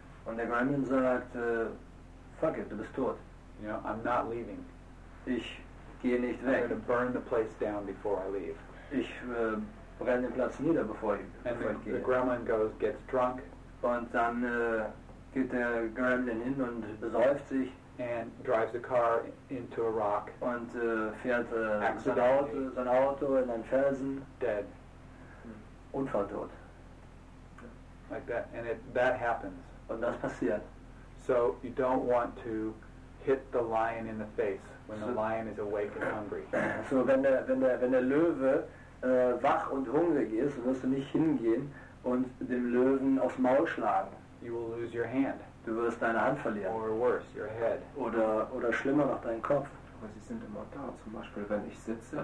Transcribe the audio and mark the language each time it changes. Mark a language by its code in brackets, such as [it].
[de] Und der Gremlin sagt, "Fuck it, du bist tot." [en] You know, I'm not leaving. [de] Ich gehe nicht weg. [en] I'm going to burn the place down before I leave. [de] Ich brenne den Platz nieder, bevor ich gehe. [en] And the gremlin goes, gets drunk. [de] Und dann geht der Gremlin hin und besäuft sich. [en] And drives the car into a rock. [de] Und fährt sein Auto in einen Felsen. [en] Dead. [de] Unfalltot. [en] Like that. And that happens. [de] Und das passiert. [en] So you don't want to hit the lion in the face when the lion is awake and hungry. [de] So wenn der Löwe wach und hungrig ist, wirst du nicht hingehen und dem Löwen aufs Maul schlagen. [en] You will lose your hand. [de] Du wirst deine Hand verlieren. [en] Or worse, your head. [de] Oder schlimmer noch, deinen Kopf. Aber sie sind immer da, zum Beispiel, wenn ich sitze.